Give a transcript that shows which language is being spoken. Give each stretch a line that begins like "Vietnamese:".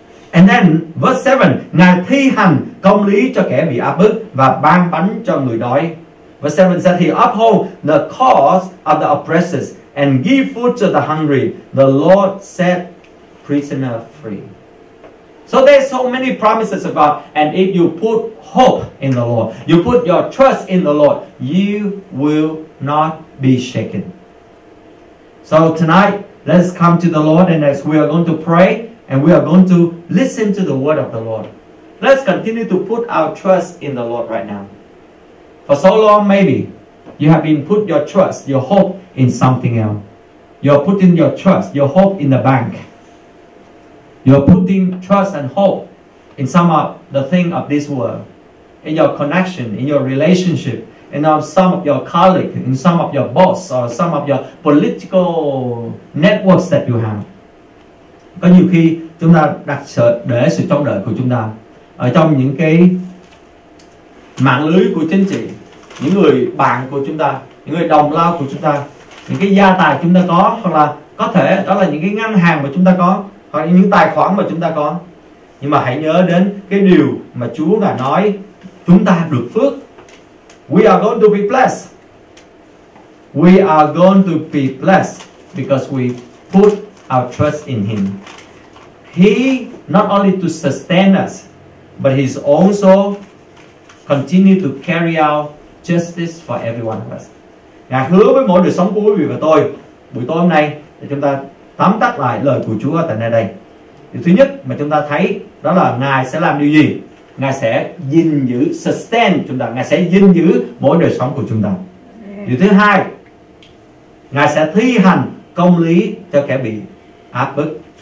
English: And then verse 7,
Vietnamese: Ngài thi hành công lý cho kẻ bị áp bức và ban bánh cho người đói.
English: Verse 7 said he uphold the cause of the oppressors and give food to the hungry. The Lord set prisoner free. So there's so many promises of God, and if you put hope in the Lord, you put your trust in the Lord, you will not be shaken. So tonight, let's come to the Lord, and as we are going to pray, and we are going to listen to the word of the Lord. Let's continue to put our trust in the Lord right now. For so long, maybe, you have been put your trust, your hope in something else. You're putting your trust, your hope in the bank. You're putting trust and hope and sum up the thing of this world, in your connection, in your relationship, and now sum up your colleague, and sum up your boss, or sum up your political networks that you have.
Vietnamese: Có nhiều khi chúng ta đặt sự, để sự trông đợi của chúng ta ở trong những cái mạng lưới của chính trị, những người bạn của chúng ta, những người đồng lao của chúng ta, những cái gia tài chúng ta có, hoặc là có thể đó là những cái ngân hàng mà chúng ta có, hoặc là những tài khoản mà chúng ta có. Nhưng mà hãy nhớ đến cái điều mà Chúa đã nói, chúng ta được phước.
English: We are going to be blessed. We are going to be blessed because we put our trust in Him. He not only to sustain us, but He's also continue to carry out justice for every one of us.
Vietnamese: Ngài hứa với mỗi đời sống của quý vị và tôi buổi tối hôm nay, để chúng ta tóm tắt lại lời của Chúa tại nơi đây. Điều thứ nhất mà chúng ta thấy đó là Ngài sẽ làm điều gì? Ngài sẽ gìn giữ, sustain chúng ta. Ngài sẽ gìn giữ mỗi đời sống của chúng ta. Điều thứ hai, Ngài sẽ thi hành công lý cho kẻ bị áp bức.